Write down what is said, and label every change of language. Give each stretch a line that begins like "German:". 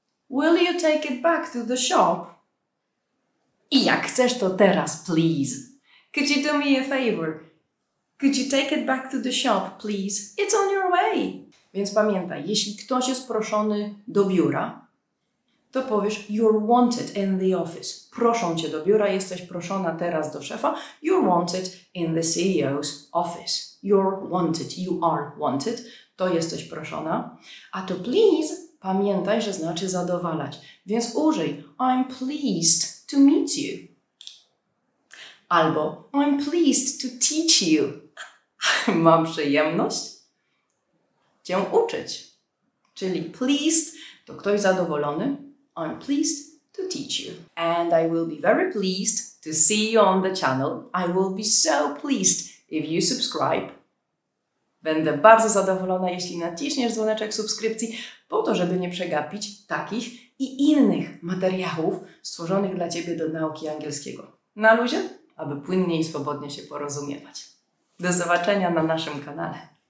English: Will you take it back to the shop?
Polish: I jak chcesz, to teraz,
English: please. Could you do me a favor? Could you take it back to the shop, please? It's on your way.
Polish: Więc pamiętaj, jeśli ktoś jest proszony do biura, to powiesz
English: you're wanted in the office.
Polish: Proszą cię do biura, jesteś proszona teraz do szefa.
English: You're wanted in the CEO's office. You're wanted. You are wanted.
Polish: To jesteś proszona. A to please, pamiętaj, że znaczy zadowalać. Więc użyj
English: I'm pleased to meet you.
Polish: Albo
English: I'm pleased to teach you.
Polish: Mam przyjemność cię uczyć. Czyli pleased to ktoś zadowolony.
English: I'm pleased to teach you. And I will be very pleased to see you on the channel. I will be so pleased if you subscribe.
Polish: Będę bardzo zadowolona, jeśli naciśniesz dzwoneczek subskrypcji, po to, żeby nie przegapić takich i innych materiałów stworzonych dla Ciebie do nauki angielskiego. Na luzie, aby płynnie i swobodnie się porozumiewać. Do zobaczenia na naszym kanale.